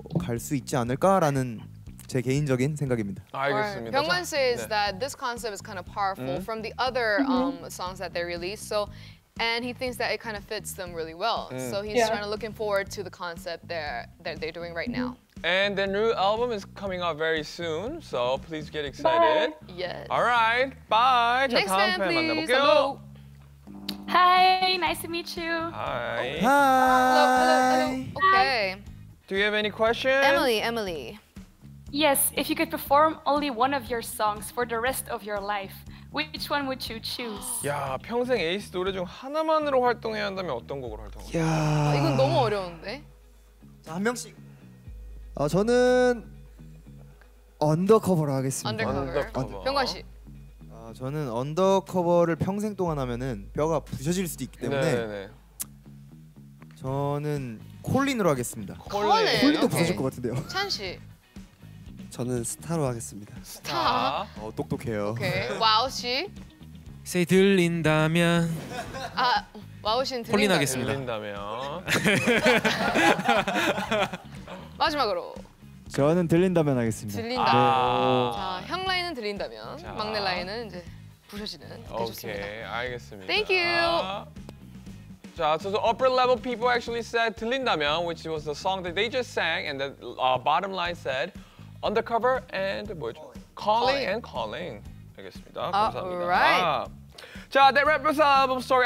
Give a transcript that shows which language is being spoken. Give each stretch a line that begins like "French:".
Korean: 갈 수 있지 않을까라는 제 개인적인 생각입니다. 알겠습니다.
English: 병관 says 네. that this concept is kind of powerful from the other songs that they released. So and he thinks that it kind of fits them really well. So he's trying to looking forward to the concept that they're doing right now. And the new album is coming out very soon. So please get excited. Bye. Yes. All right. Bye. Next time, please. Hello. Hi. Nice to meet you. Hi. Hi. Hello. Okay. Do you have any questions? Emily. Yes. If you could perform only one of your songs for the rest of your life, which one would you choose?
Korean: 야, 평생 에이스 노래 중 하나만으로 활동해야 한다면 어떤 곡으로 활동할까? 야. 이건 너무 어려운데. 자, 한 명씩. 저는 언더커버로 하겠습니다. 언더커버. 병관 씨. 저는 언더커버를 평생 동안 하면은 뼈가 부셔질 수도 있기 때문에 네네. 저는 콜린으로 하겠습니다. 콜린도 부서질 것 같은데요. 찬 씨. 저는 스타로 하겠습니다. 스타. 똑똑해요. 오케이. 와우 씨. 세 들린다면. 아 와우 씨는 콜린 하겠습니다. 들린다면. 마지막으로 저는 들린다면 하겠습니다. 들린다. 자, 형 라인은 들린다면 자. 막내 라인은 이제 부셔지는 오케이 알겠습니다.
English: Thank you. 자, so the upper level people actually said 들린다면, which was the song that they just sang, and the bottom line said undercover and 뭐였죠? Calling and calling. 알겠습니다. 감사합니다. Alright. 자, that wraps up the album story.